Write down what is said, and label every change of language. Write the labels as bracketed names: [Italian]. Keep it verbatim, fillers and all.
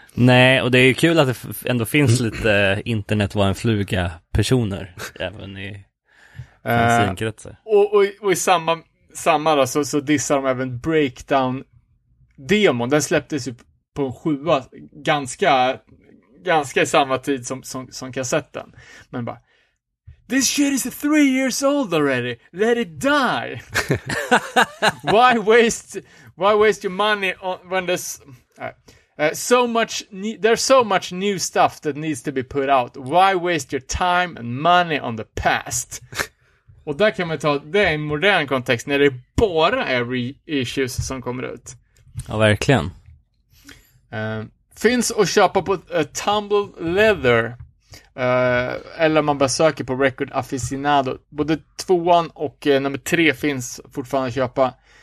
[Swedish] Nej, och det är ju kul att det ändå finns lite internet var en fluga personer, även i fanzinkretsar. Uh, och, och, och i samma, samma då, så, så dissar de även Breakdown demon, den släpptes ju på en sjua ganska ganska i samma tid som, som, som kassetten. Men bara [English] this shit is three years old already. Let it die. why waste why waste your money on, when there's uh, so much there's so much new stuff that needs to be put out. Why waste your time and money on the past? [Swedish] Och där kan man ta det i en modern kontext när det bara är reissues som kommer ut. Ja, verkligen. Uh, finns att köpa på uh, Tumbled Leather. Uh, eller man bara söker på Record Aficionado. Både tvåan och uh, nummer tre finns fortfarande att köpa.